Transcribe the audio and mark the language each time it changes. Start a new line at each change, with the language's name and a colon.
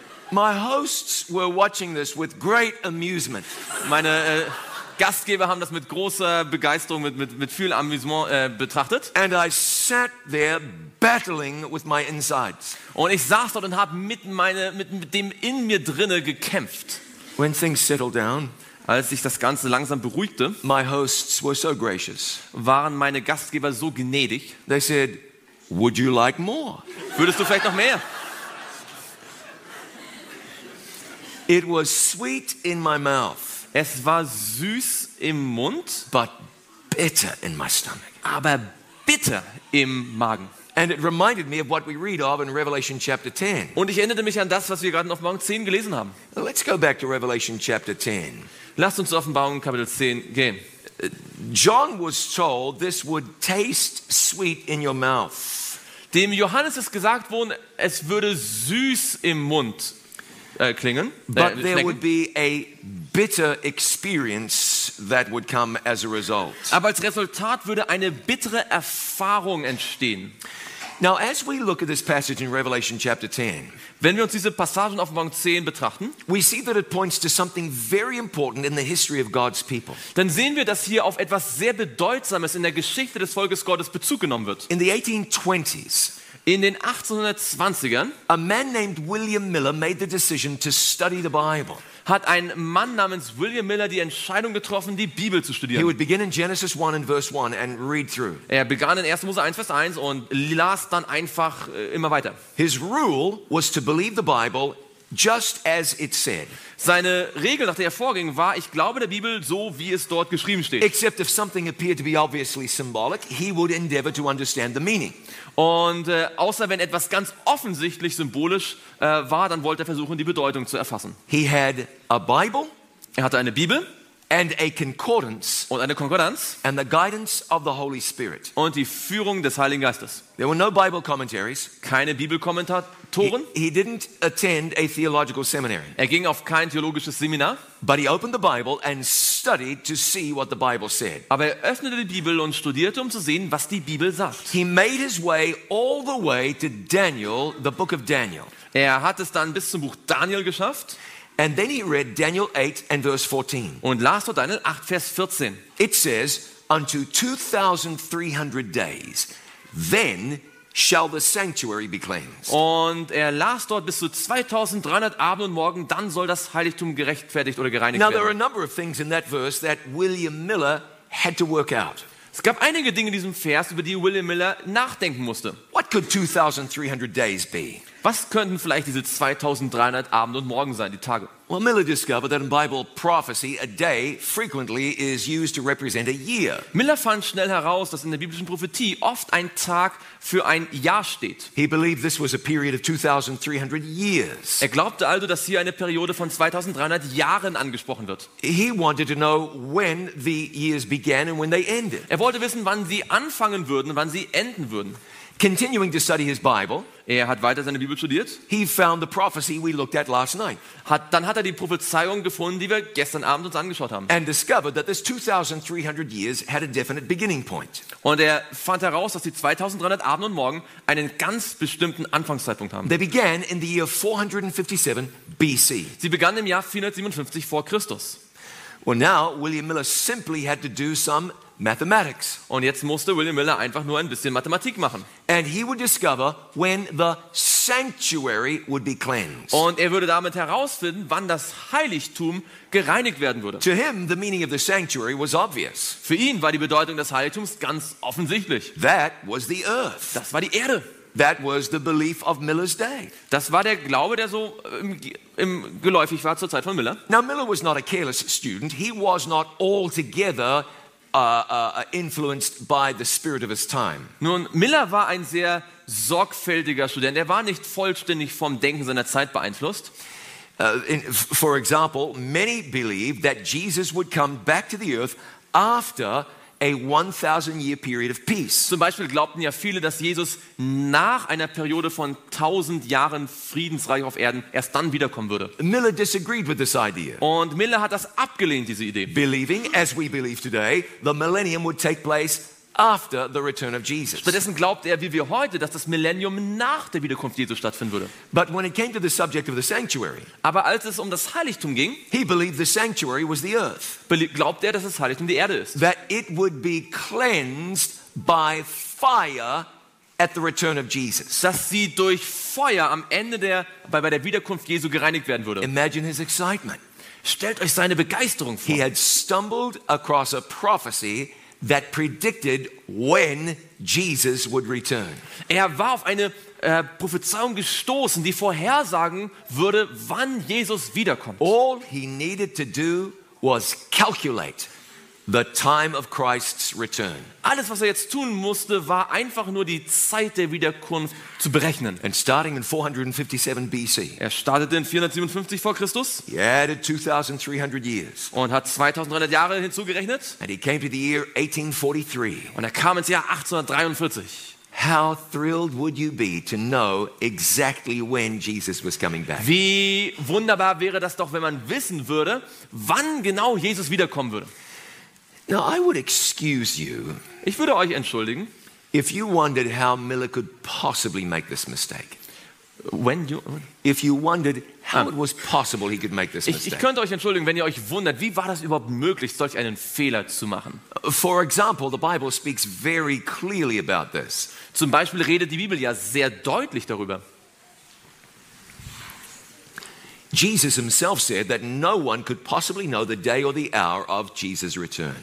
English: My hosts were watching this with great amusement.
German: Meine Gastgeber haben das mit großer Begeisterung, mit viel Amüsement betrachtet.
English: And I sat there battling with my insides.
German: Und ich saß dort und habe mit dem in mir drinne gekämpft.
English: When things settled down,
German: als sich das Ganze langsam beruhigte,
English: my hosts were so gracious.
German: Waren meine Gastgeber so gnädig.
English: They said, would you like more?
German: Würdest du vielleicht noch mehr?
English: It was sweet in my mouth.
German: Es war süß im Mund,
English: but bitter in my stomach.
German: Aber bitter im Magen.
English: And it reminded me of what we read of in Revelation chapter 10.
German: Und ich erinnerte mich an das, was wir gerade in Offenbarung 10 gelesen haben.
English: Let's go back to Revelation chapter 10.
German: Lasst uns zu Offenbarung Kapitel 10 gehen.
English: John was told this would taste sweet in your mouth.
German: Dem Johannes ist gesagt worden, es würde süß im Mund klingen.
English: But there would be a bitter experience that would come as a result.
German: Aber als Resultat würde eine bittere Erfahrung entstehen.
English: Now as we look at this passage in Revelation chapter 10.
German: Wenn wir uns diese Passage in Offenbarung 10 betrachten,
English: we see that it points to something very important in the history of God's people.
German: Dann sehen wir, dass hier auf etwas sehr Bedeutsames in der Geschichte des Volkes Gottes Bezug genommen wird.
English: In the 1820s.
German: In den 1820ern,
English: a man named William Miller made the decision to study the Bible.
German: Hat ein Mann namens William Miller die Entscheidung getroffen, die Bibel zu studieren.
English: He would begin in Genesis 1 and verse 1 and read through.
German: Er begann in 1. Mose 1 Vers 1 und las dann einfach immer weiter.
English: His rule was to believe the Bible just as it said.
German: Seine Regel, nach der er vorging, war, ich glaube der Bibel so, wie es dort geschrieben steht.
English: Except if something appeared to be obviously symbolic, he would endeavor to understand the meaning.
German: Und außer wenn etwas ganz offensichtlich symbolisch war, dann wollte er versuchen, die Bedeutung zu erfassen.
English: He had a Bible.
German: Er hatte eine Bibel.
English: And a concordance.
German: Und eine Konkordanz.
English: And the guidance of the Holy Spirit.
German: Und die Führung des Heiligen Geistes.
English: There were no Bible commentaries.
German: Keine Bibelkommentatoren.
English: He didn't attend a theological seminary.
German: Er ging auf kein theologisches Seminar.
English: But he opened the Bible and studied to see what the Bible said.
German: Aber er öffnete die Bibel und studierte, um zu sehen, was die Bibel sagt.
English: He made his way all the way to Daniel, the book of Daniel.
German: Er hat es dann bis zum Buch Daniel geschafft.
English: And then he read Daniel 8 and verse 14.
German: Und las dort Daniel 8 Vers 14.
English: It says, unto 2300 days, then shall the sanctuary be cleansed.
German: Und er las dort bis zu 2300 Abend und Morgen, dann soll das Heiligtum gerechtfertigt oder gereinigt werden.
English: Now there are a number of things in that verse that William Miller had to work out.
German: Es gab einige Dinge in diesem Vers, über die William Miller nachdenken musste.
English: What could 2300 days be?
German: Was könnten vielleicht diese 2300 Abend und Morgen sein, die Tage?
English: Well, Miller discovered that in Bible prophecy a day frequently is used to represent a year.
German: Miller fand schnell heraus, dass in der biblischen Prophetie oft ein Tag für ein Jahr steht.
English: He believed this was a period of 2300 years.
German: Er glaubte also, dass hier eine Periode von 2300 Jahren angesprochen wird.
English: He wanted to know when the years began and when they ended.
German: Er wollte wissen, wann sie anfangen würden, wann sie enden würden.
English: Continuing to study his Bible,
German: er hat weiter seine Bibel studiert.
English: He found the prophecy we looked at last night.
German: Dann hat er die Prophezeiung gefunden, die wir gestern Abend uns angeschaut haben.
English: And discovered that this 2300 years had a definite beginning point.
German: Und er fand heraus, dass die 2300 Abend und Morgen einen ganz bestimmten Anfangszeitpunkt haben.
English: They began in the year 457 BC.
German: Sie begannen im Jahr 457 vor Christus.
English: Well, now William Miller simply had to do some mathematics.
German: Und jetzt musste William Miller einfach nur ein bisschen Mathematik machen.
English: And he would discover when the sanctuary would be cleansed.
German: Und er würde damit herausfinden, wann das Heiligtum gereinigt werden würde.
English: To him, the meaning of the sanctuary was obvious.
German: Für ihn war die Bedeutung des Heiligtums ganz offensichtlich.
English: That was the earth.
German: Das war die Erde.
English: That was the belief of Miller's day.
German: Das war der Glaube, der so im geläufig war zur Zeit von Miller.
English: Now Miller was not a careless student. He was not altogether influenced by the spirit of his time.
German: Nun, Miller war ein sehr sorgfältiger Student. Er war nicht vollständig vom Denken seiner Zeit beeinflusst.
English: For example, many believed that Jesus would come back to the earth after a 1,000-year period of peace.
German: Zum Beispiel glaubten ja viele, dass Jesus nach einer Periode von 1,000 Jahren Friedensreich auf Erden erst dann wiederkommen würde.
English: Miller disagreed with this idea.
German: Und Miller hat das abgelehnt, diese Idee.
English: Believing, as we believe today, the millennium would take place after the return of Jesus.
German: Stattdessen glaubt er, wie wir heute, dass das Millennium nach der Wiederkunft Jesu stattfinden würde.
English: But when it came to the subject of the sanctuary,
German: aber als es um das Heiligtum ging,
English: he believed the sanctuary was the earth.
German: Glaubt er, dass das Heiligtum die Erde ist.
English: That it would be cleansed by fire at the return of Jesus.
German: Dass sie durch Feuer am Ende der bei der Wiederkunft Jesu gereinigt werden würde.
English: Imagine his excitement.
German: Stellt euch seine Begeisterung vor.
English: He had stumbled across a prophecy that predicted when Jesus would return.
German: Er war auf eine Prophezeiung gestoßen, die vorhersagen würde, wann Jesus wiederkommt.
English: All he needed to do was calculate the time of Christ's return.
German: Alles, was er jetzt tun musste, war einfach nur die Zeit der Wiederkunft zu berechnen.
English: And starting in 457 BC.
German: Er startete in 457 vor Christus.
English: He added 2,300 years.
German: Und hat 2,300 Jahre hinzugerechnet.
English: And he came to the year 1843.
German: Und er kam ins Jahr 1843.
English: How thrilled would you be to know exactly when Jesus was coming back?
German: Wie wunderbar wäre das doch, wenn man wissen würde, wann genau Jesus wiederkommen würde.
English: Now I would excuse you.
German: Ich würde euch entschuldigen.
English: If you wondered how Miller could possibly make this mistake. If you wondered how it was possible he could make this mistake.
German: Ich könnte euch entschuldigen, wenn ihr euch wundert, wie war das überhaupt möglich, solch einen Fehler zu machen?
English: For example, the Bible speaks very clearly about this.
German: Zum Beispiel redet die Bibel ja sehr deutlich darüber.
English: Jesus himself said that no one could possibly know the day or the hour of Jesus' return.